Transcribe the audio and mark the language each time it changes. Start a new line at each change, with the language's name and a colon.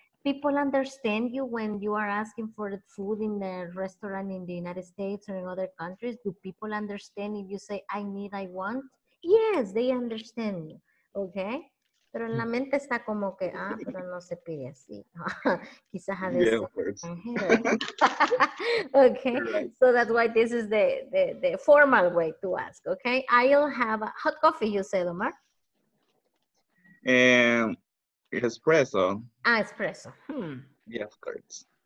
English: People understand you when you are asking for the food in the restaurant in the United States or in other countries. Do people understand if you say, I need, I want? Yes, they understand you. Okay?
Spanish: Pero en la mente está como que, ah, pero no se pide así. Quizás a veces.
English: Yeah, okay? So that's why this is the formal way to ask. Okay? I'll have a hot coffee, you said, Omar. Espresso. Ah, espresso. Yeah, of course.